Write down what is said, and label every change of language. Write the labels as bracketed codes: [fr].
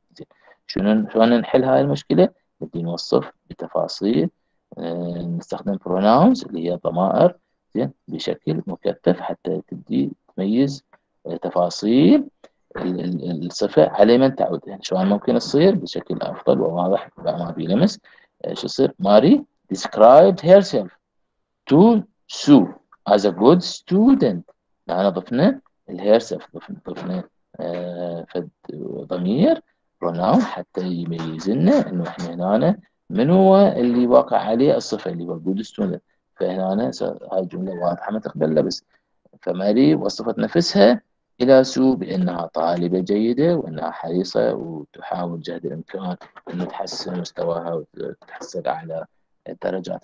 [ar] زين شلون نحل هاي المشكله؟ بدي نوصف بتفاصيل. نستخدم pronouns اللي هي ضمائر زين بشكل مكثف حتى تبدي تميز تفاصيل الصفه على من تعود. يعني شلون ممكن تصير بشكل افضل وواضح ما في لمس. شو يصير؟ [en] Mary described herself to Sue as a good student. [ar] نحن ضفنا الـ herself ضفنا فد ضمير pronoun حتى يميز لنا انه احنا هنا من هو اللي واقع عليه الصفه اللي هو [en] good student. [ar] فهنا هاي الجمله واضحه ما تقبل لبس. فماري وصفت نفسها الى سو بانها طالبه جيده وانها حريصه وتحاول جهد الامكان انه تحسن مستواها وتحصل على الدرجات.